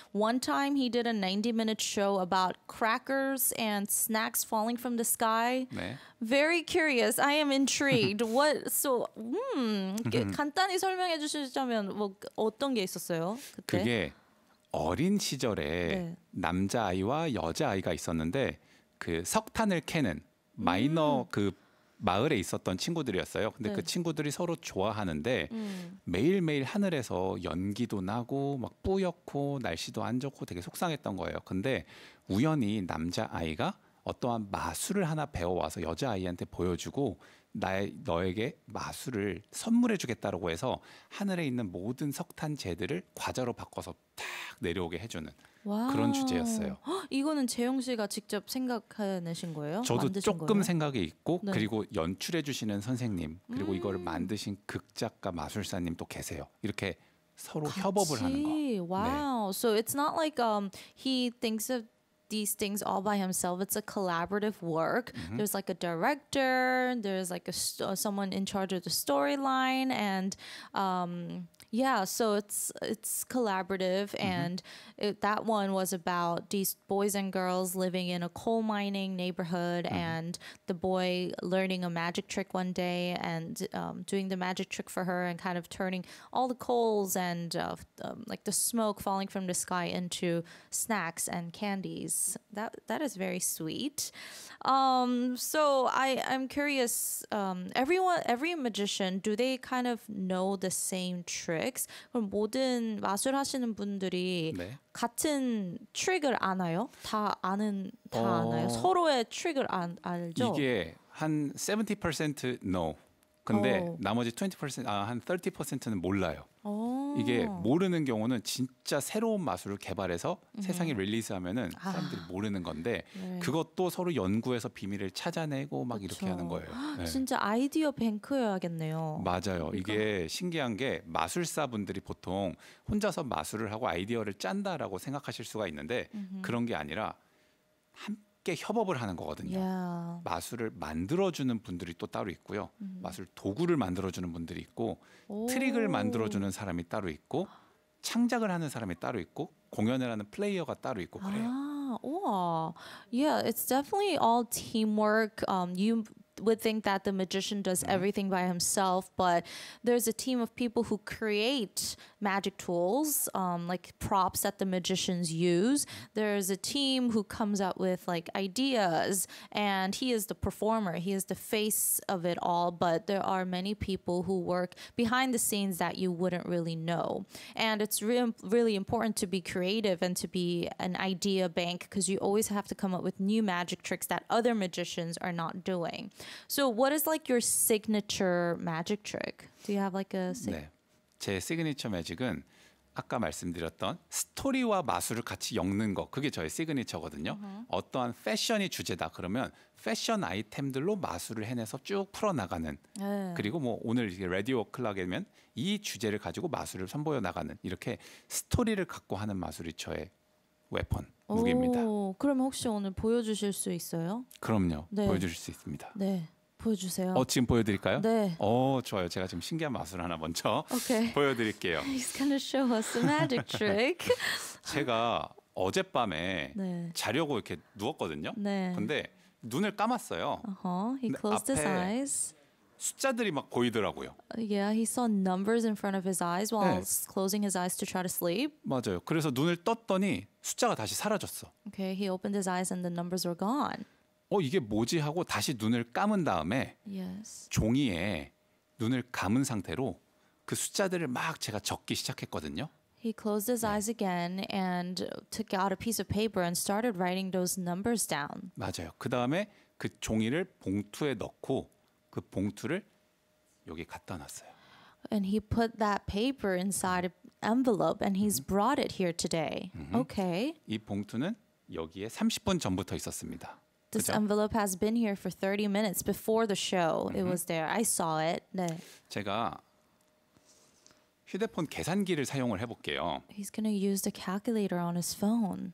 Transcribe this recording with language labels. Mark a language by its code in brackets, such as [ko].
[en] One time he did a 90-minute show about crackers and snacks falling from the sky. 네. Very curious. I am intrigued. What? [ko] So, 간단히 설명해 주시자면 뭐 어떤 게 있었어요? 그때? 그게 어린 시절에 네. 남자아이와 여자아이가 있었는데 그 석탄을 캐는 마이너 그 마을에 있었던 친구들이었어요. 근데 네. 그 친구들이 서로 좋아하는데 매일매일 하늘에서 연기도 나고 막 뿌옇고 날씨도 안 좋고 되게 속상했던 거예요. 근데 우연히 남자아이가 어떠한 마술을 하나 배워와서 여자아이한테 보여주고 너에게 마술을 선물해주겠다라고 해서 하늘에 있는 모든 석탄 재들을 과자로 바꿔서 탁 내려오게 해주는 와우. 그런 주제였어요. 이거는 재용 씨가 직접 생각해내신 거예요? 저도 조금 거예요? 생각이 있고 네. 그리고 연출해주시는 선생님 그리고 이걸 만드신 극작가 마술사님 또 계세요. 이렇게 서로 같이? 협업을 하는 거. 와우. 네. [en] So it's not like he thinks of these things all by himself. It's a collaborative work. Mm-hmm. There's like a director, there's like a someone in charge of the storyline, and yeah, so it's collaborative. Mm-hmm. And that one was about these boys and girls living in a coal mining neighborhood, mm-hmm. and the boy learning a magic trick one day and doing the magic trick for her and kind of turning all the coals and like the smoke falling from the sky into snacks and candies. That is very sweet. So I'm curious, every magician, do they kind of know the same tricks? [ko] 그럼 모든 마술 하시는 분들이 네. 같은 트릭을 아나요? 다 아나요? 서로의 트릭을 알죠? 이게 한 70% no. 근데 나머지 20% 한 30%는 몰라요. 이게 모르는 경우는 진짜 새로운 마술을 개발해서 세상에 릴리스하면은 사람들이 모르는 건데 네. 그것도 서로 연구해서 비밀을 찾아내고 막 그쵸. 이렇게 하는 거예요. 네. 진짜 아이디어 뱅크여야겠네요. 맞아요. 이게 신기한 게 마술사분들이 보통 혼자서 마술을 하고 아이디어를 짠다라고 생각하실 수가 있는데 그런 게 아니라 함께 협업을 하는 거거든요. [en] Yeah. [ko] 마술을 만들어주는 분들이 또 따로 있고요. 마술 도구를 만들어주는 분들이 있고 트릭을 만들어주는 사람이 따로 있고 창작을 하는 사람이 따로 있고 공연을 하는 플레이어가 따로 있고 그래요. [en] Yeah, it's definitely all teamwork. You would think that the magician does everything by himself, but there's a team of people who create magic tools, like props that the magicians use. There's a team who comes up with like ideas, and he is the performer. He is the face of it all, but there are many people who work behind the scenes that you wouldn't really know. And it's really important to be creative and to be an idea bank, because you always have to come up with new magic tricks that other magicians are not doing. So what is like your signature magic trick? Do you have like a... [ko] 제 시그니처 매직은 아까 말씀드렸던 스토리와 마술을 같이 엮는 거, 그게 저의 시그니처거든요. Uh-huh. 어떠한 패션이 주제다 그러면 패션 아이템들로 마술을 해내서 쭉 풀어나가는 uh-huh. 그리고 뭐 오늘 이렇게 라디오 클락이면 이 주제를 가지고 마술을 선보여 나가는 이렇게 스토리를 갖고 하는 마술이 저의 웨폰, 무기입니다. 그럼 혹시 오늘 보여주실 수 있어요? 그럼요. 네. 보여주실 수 있습니다. 네. 보여주세요. 지금 보여드릴까요? 네. 좋아요. 제가 지금 신기한 마술 하나 먼저 보여드릴게요. [en] He's gonna show us a magic trick. [ko] 제가 어젯밤에 네. 자려고 이렇게 누웠거든요. 네. 근데 눈을 감았어요. [en] Uh-huh. He closed his eyes. [ko] 숫자들이 막 보이더라고요. [en] Yeah, he saw numbers in front of his eyes while 네. closing his eyes to try to sleep. [ko] 맞아요. 그래서 눈을 떴더니 숫자가 다시 사라졌어. [en] Okay, he opened his eyes and the numbers were gone. [ko] 이게 뭐지 하고 다시 눈을 감은 다음에 [en] yes. [ko] 종이에 눈을 감은 상태로 그 숫자들을 막 제가 적기 시작했거든요. [en] He closed his 네. eyes again and took out a piece of paper and started writing those numbers down. [ko] 맞아요. 그 다음에 그 종이를 봉투에 넣고 그 봉투를 여기 갖다 놨어요. [en] And he put that paper inside an envelope and he's brought it here today. Okay. [ko] 이 봉투는 여기에 30분 전부터 있었습니다. [en] This [ko] 그죠? [en] envelope has been here for 30 minutes before the show. Mm-hmm. It was there. I saw it. 네. [ko] 제가 휴대폰 계산기를 사용을 해볼게요. [en] He's going to use the calculator on his phone.